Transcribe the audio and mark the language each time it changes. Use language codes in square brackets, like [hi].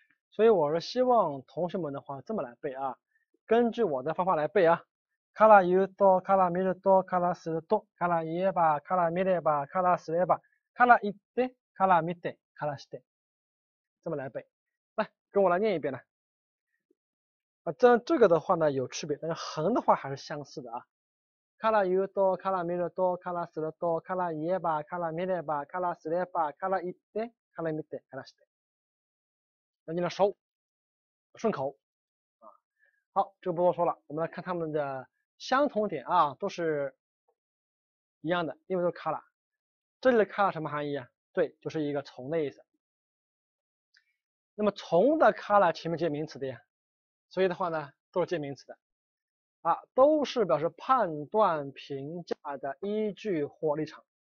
[zh] 所以我是希望同学们的话这么来背啊，根据我的方法来背啊。 [ja] から言うと、から見ると、からすると、から言えば、から見れば、からすれば、から言って、から見て、からして。 [zh] 这么来背。来，跟我来念一遍呢。啊，这个的话呢有区别，但是横的话还是相似的啊。 [ja] から言うと、から見ると、からすると、から言えば、から見れば、からすれば、から言って、から見て、からして。 [zh] 那你来熟。顺口。啊。好，这个不多说了，我们来看他们的相同点啊，都是一样的，因为都是から。这里的から什么含义啊？对，就是一个从的意思。那么从的color前面接名词的呀，所以的话呢都是接名词的啊，都是表示判断评价的依据或立场。